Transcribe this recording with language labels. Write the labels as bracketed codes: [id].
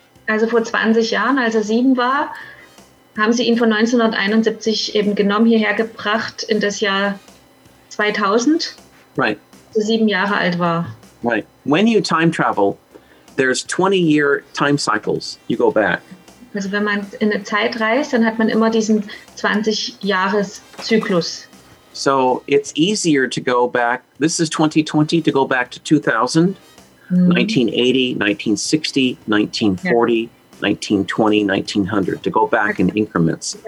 [de] Also vor 20 Jahren, als 7 war, haben sie ihn von 1971 eben genommen, hierher gebracht in das Jahr 2000. [en] Right. [de] Als 7 Jahre alt war. [en] Right. When you time travel, there's 20-year time cycles. You go back. [de] Also wenn man in eine Zeit reist, dann hat man immer diesen 20-Jahres-Zyklus. [en] So it's easier to go back. This is 2020, to go back to 2000, 1980, 1960, 1940, yeah. 1920, 1900. To go back in increments.